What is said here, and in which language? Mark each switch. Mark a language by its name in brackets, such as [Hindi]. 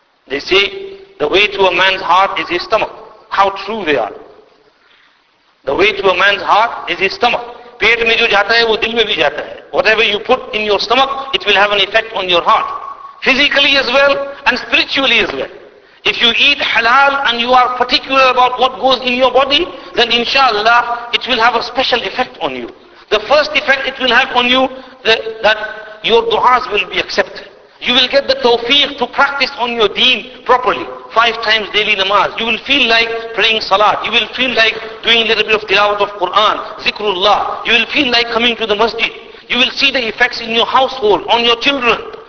[English] They say the way to a man's heart is his stomach. How true they are. The way to a man's heart is his stomach. [Urdu] پیٹ میں جو جاتا ہے [English] وہ دل میں بھی جاتا ہے. What ever you put in your stomach it will have an effect on your heart physically as well and spiritually as well. If you eat حلال and you are particular about what goes in your body then ان شاء اللہ it will have a special effect on you. The first effect it will have on you that your دعاز will be accepted. You will get the tawfiq to practice on your deen properly. 5 times daily namaz. You will feel like praying salat. You will feel like doing a little bit of tilawat of Quran, zikrullah. You will feel like coming to the masjid. You will see the effects in your household, on your children.